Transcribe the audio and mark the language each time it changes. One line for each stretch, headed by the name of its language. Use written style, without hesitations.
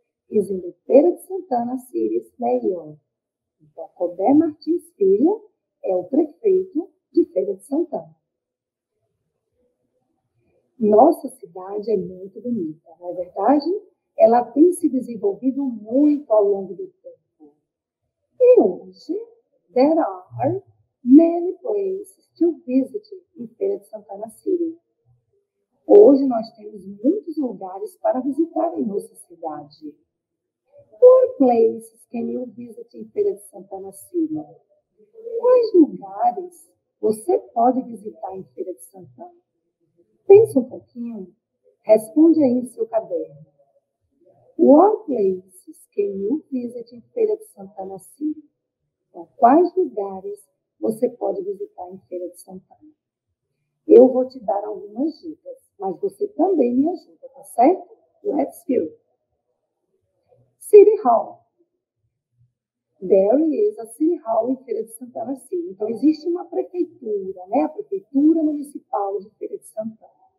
English: He's in the Feira de Santana City Mayor.
Portuguese: Então, Robert Martins Filho é o prefeito de Feira de Santana. Nossa cidade é muito bonita, não é verdade? Ela tem se desenvolvido muito ao longo do tempo. E hoje,
English: there are many places to visit in Feira de Santana City.
Portuguese: Hoje nós temos muitos lugares para visitar em nossa cidade.
English: What places can you visit in Feira de Santana City?
Portuguese: Quais lugares você pode visitar em Feira de Santana? Pensa um pouquinho. Responde aí no seu caderno.
English: What places can you visit in Feira de Santana City?
Portuguese: Então, quais lugares você pode visitar em Feira de Santana? Eu vou te dar algumas dicas, mas você também me ajuda, tá certo?
English: Let's go. City Hall. There is a City Hall
Portuguese: em Feira de Santana City. Então, existe uma prefeitura, né? A Prefeitura Municipal de Feira de Santana.